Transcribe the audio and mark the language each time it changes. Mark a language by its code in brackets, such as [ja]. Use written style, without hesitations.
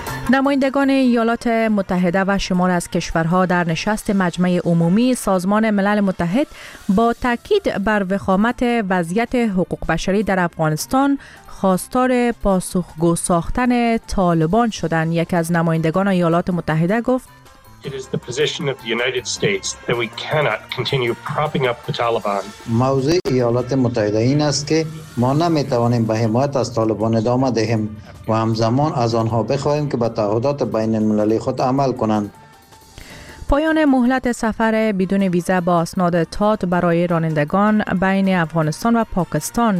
[fa] نمایندگان ایالات متحده و شمار از کشورها در نشست مجمع عمومی سازمان ملل متحد با تاکید بر وخامت وضعیت حقوق بشری در افغانستان خواستار پاسخگو ساختن طالبان شدند. یک از نمایندگان ایالات متحده گفت: [en] It is the position of the United States that we cannot continue propping up the Taliban. [fa] موضع ایالات متحده این است که ما نمیتوانیم به حمایت از طالبان ادامه دهیم و همزمان از آنها بخواهیم که به تعهدات بین المللی خود عمل کنند. پایان مهلت سفر بدون ویزه با اسناد تات برای رانندگان بین افغانستان و پاکستان.